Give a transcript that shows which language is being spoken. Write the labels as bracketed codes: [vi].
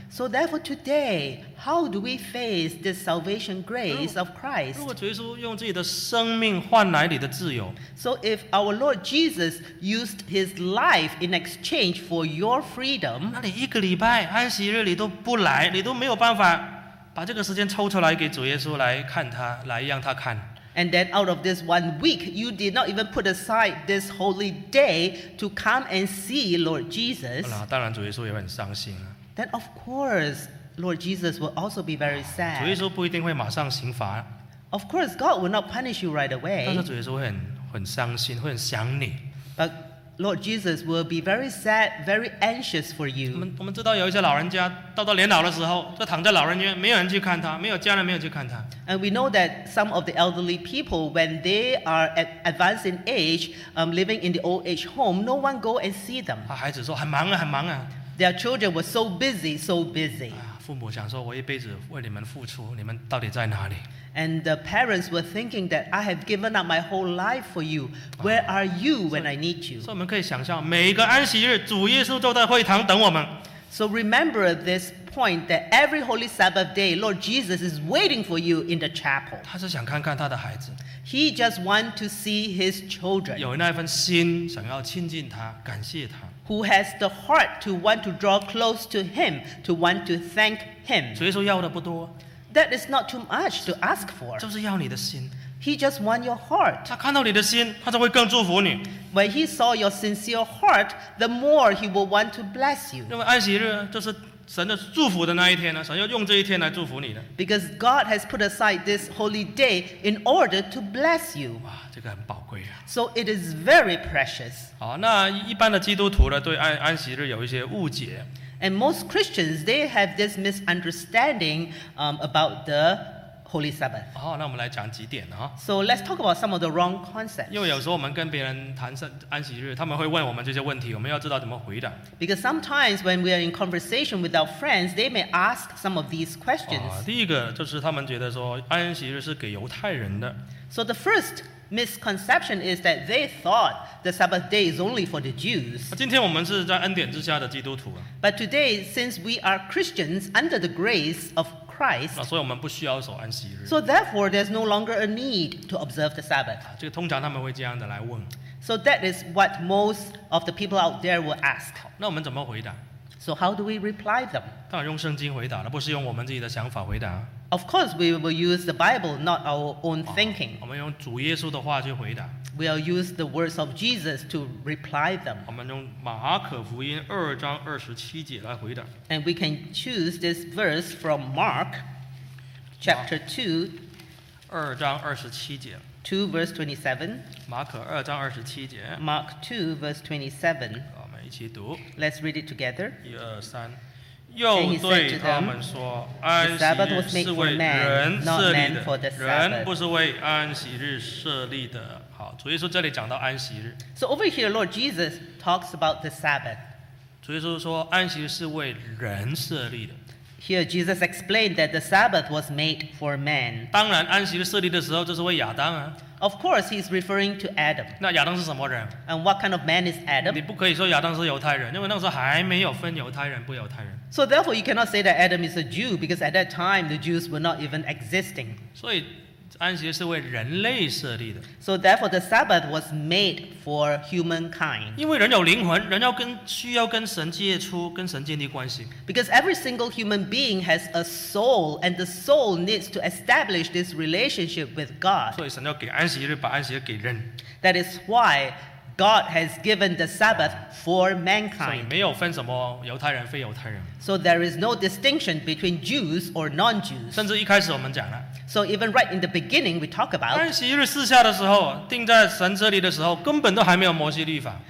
[en] So therefore today, how do we face this salvation grace of Christ? [zh] 如果主耶稣用自己的生命换来你的自由， [en] So if our Lord Jesus used his life in exchange for your freedom, [zh] 那你一个礼拜安息日你都不来，你都没有办法把这个时间抽出来给主耶稣来看他，来让他看。 [en] And then out of this one week, you did not even put aside this holy day to come and see Lord Jesus. [zh] 当然主耶稣也很伤心。 [en] Then of course, Lord Jesus will also be very sad. [zh] 主耶稣不一定会马上刑罚。 [en] Of course, God will not punish you right away. [zh] 但是主耶稣会很伤心，会很想你。 [en] But Lord Jesus will be very sad, very anxious for you. [zh] 我们知道有一些老人家到年老的时候，就躺在老人院，没有人去看他，没有家人，没有去看他。 [en] And we know that some of the elderly people, when they are advanced in age, living in the old age home, no one go and see them. [zh] 孩子说很忙啊，很忙啊。 [en] Their children were so busy, so busy. [zh] 父母想说，我一辈子为你们付出，你们到底在哪里？ [en] And the parents were thinking that I have given up my whole life for you. Where are you when I need you? [zh] 所以我们可以想象，每个安息日，主耶稣都在会堂等我们。 [en] So remember this point that every Holy Sabbath day, Lord Jesus is waiting for you in the chapel. [zh] 他是想看看他的孩子。 [en] He just wants to see his children. [zh] 有那份心想要亲近他，感谢他。 [en] Who has the heart to want to draw close to him, to want to thank him? [zh] 主耶稣要的不多。 [en] That is not too much to ask for. [zh] 就是要你的心。 [en] He just wants your heart. [zh] 他看到你的心，他就会更祝福你。 [en] When he saw your sincere heart, the more he will want to bless you. [zh] 因为安息日就是神的祝福的那一天呢，神要用这一天来祝福你的。 [en] Because God has put aside this holy day in order to bless you. [zh] 哇，这个很宝贵啊。 [en] So it is very precious. [zh] 好，那一般的基督徒呢，对安息日有一些误解。 [en] And most Christians, they have this misunderstanding about the Holy Sabbath. [zh] 好，那我们来讲几点啊。 [en] So let's talk about some of the wrong concepts. [zh] 因为有时候我们跟别人谈安息日，他们会问我们这些问题，我们要知道怎么回答。 [en] Because sometimes when we are in conversation with our friends, they may ask some of these questions. [zh] 第一个就是他们觉得说安息日是给犹太人的。 [en] So the first misconception is that they thought the Sabbath day is only for the Jews. [zh] 今天我们是在恩典之下的基督徒。 [en] But today, since we are Christians under the grace of Christ, [zh] 所以我们不需要守安息日。 [en] So therefore, there's no longer a need to observe the Sabbath. [zh] 这个通常他们会这样的来问。 [en] So that is what most of the people out there will ask. [zh] 那我们怎么回答？ [en] So how do we reply them? [zh] 当然用圣经回答，而不是用我们自己的想法回答。 [en] Of course, we will use the Bible, not our own thinking. [zh] 我们用主耶稣的话去回答。 [en] We will use the words of Jesus to reply them. [zh] 我们用马可福音二章二十七节来回答。 [en] And we can choose this verse from Mark, chapter 2. [zh] 二章二十七节。 [en] 2:27. [zh] 马可二章二十七节。 [en] Mark 2:27. [zh] 我们一起读。 [en] Let's read it together. [zh] 一二三。又对他们说，安息日是为人设立的，人不是为安息日设立的。好，主耶稣这里讲到安息日。 [en] So over here, Lord Jesus talks about the Sabbath. [zh] 主耶稣说，安息日是为人设立的。 [en] Here Jesus explained that the Sabbath was made for man. [zh] 当然，安息日设立的时候，就是为亚当啊。 [en] Of course, he's referring to Adam. [zh] 那亚当是什么人？ [en] And what kind of man is Adam? [zh] 你不可以说亚当是犹太人，因为那时候还没有分犹太人不犹太人。 [en] So therefore, you cannot say that Adam is a Jew because at that time the Jews were not even existing. [zh] 所以安息日是为人类设立的。 [en] So therefore, the Sabbath was made for humankind. [zh] 因为人有灵魂，人要跟需要跟神接触，跟神建立关系。 [en] Because every single human being has a soul, and the soul needs to establish this relationship with God. [zh] 所以神要给安息日，把安息日给人。 [en] That is why God has given the Sabbath for mankind. [zh] 所以没有分什么犹太人非犹太人。 [en] So there is no distinction between Jews or non-Jews. [zh] 甚至一开始我们讲了。 [en] So even right in the beginning, we talk about [zh] 安息日四下的时候，定在神这里的时候，根本都还没有摩西律法。